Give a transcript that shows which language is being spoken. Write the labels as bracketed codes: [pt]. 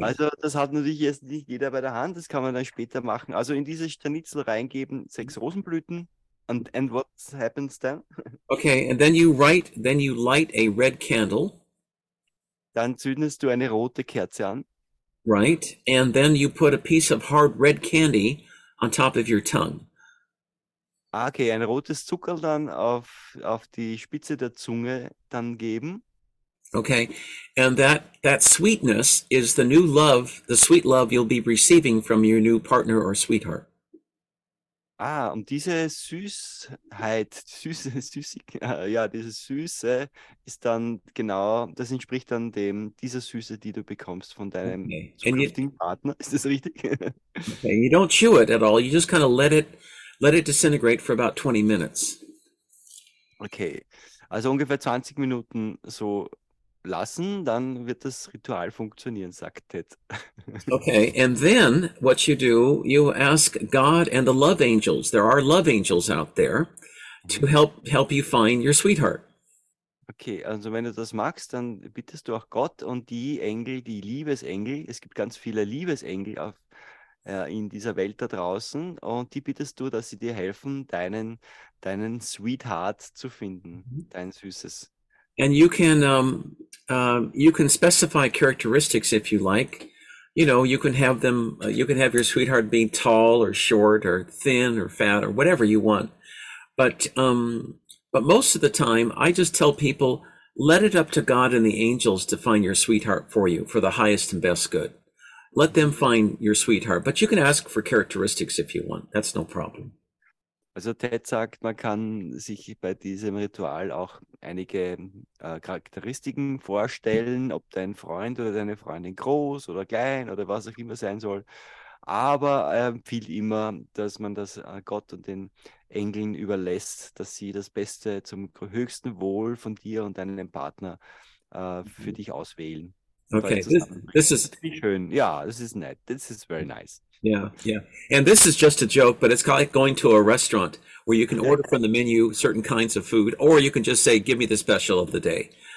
[de] Also das hat natürlich jetzt nicht jeder bei der Hand, das kann man dann später machen. Also in diese Scharnitzel reingeben, sechs Rosenblüten, [en] and what happens then? Okay, and then you light a red candle. [de] Dann zündest du eine rote Kerze an. [en] Right, and then you put a piece of hard red candy on top of your tongue. [de] Okay, ein rotes Zuckerl dann auf die Spitze der Zunge dann geben. [en] Okay, and that sweetness is the new love, the sweet love you'll be receiving from your new partner or sweetheart. [de] Ah, und diese Süßheit, diese Süße ist dann genau, das entspricht dann dieser Süße, die du bekommst von deinem zukünftigen Partner. Ist das richtig? [en] Okay, you don't chew it at all, you just kind of let it disintegrate for about 20 minutes. [de] Okay, also ungefähr 20 Minuten so lassen, dann wird das Ritual funktionieren, sagt Ted. [en] Okay, and then what you do, you ask God and the love angels, there are love angels out there, to help you find your sweetheart. [de] Okay, also wenn du das magst, dann bittest du auch Gott und die Engel, die Liebesengel, es gibt ganz viele Liebesengel in dieser Welt da draußen und die bittest du, dass sie dir helfen, deinen Sweetheart zu finden, dein Süßes. [en] And you can specify characteristics if you like. You know, you can have them, you can have your sweetheart be tall or short or thin or fat or whatever you want. But most of the time, I just tell people, let it up to God and the angels to find your sweetheart for you, for the highest and best good. Let them find your sweetheart. But you can ask for characteristics if you want. That's no problem. [de] Also Ted sagt, man kann sich bei diesem Ritual auch einige Charakteristiken vorstellen, ob dein Freund oder deine Freundin groß oder klein oder was auch immer sein soll. Aber er empfiehlt immer, dass man das Gott und den Engeln überlässt, dass sie das Beste zum höchsten Wohl von dir und deinem Partner für dich auswählen und euch [en] Okay, this [de] zusammenbringen. [en] is [de] Wie schön. Ja, das ist nett. [en] This is very nice. And this is just a joke, but it's kind of like going to a restaurant where you can order from the menu certain kinds of food, or you can just say, "Give me the special of the day."